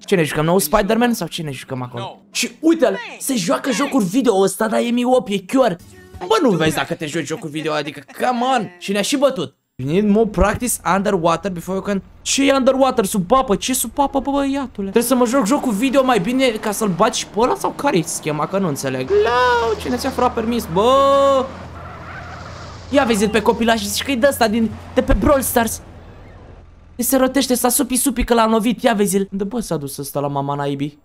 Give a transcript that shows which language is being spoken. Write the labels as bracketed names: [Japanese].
[Romanian] Ce ne jucăm, nou Spider-Man sau ce ne jucăm acolo? Și uite-l, se joacă jocuri video ăsta, dar e Miop, e Chior. Bă, nu vezi dacă te joci jocuri video, adică, [English] come on. [Romanian] Și ne-a și bătut. [English] You need more practice underwater before you can... [Romanian] Ce e underwater? Sub apă? Ce sub apă, bă, băiatule? Trebuie să mă joc jocul video mai bine ca să-l bat și pe ăla sau care-i schema, că nu înțeleg. Lau, cine ți-a furat permis, bă? Ia vezi pe copila și zici că-i de ăsta de pe Brawl Stars. Se rotește, s-a supi-supi că l-a lovit, ia vezi-l. De bă, s-a dus ăsta la mama naibii.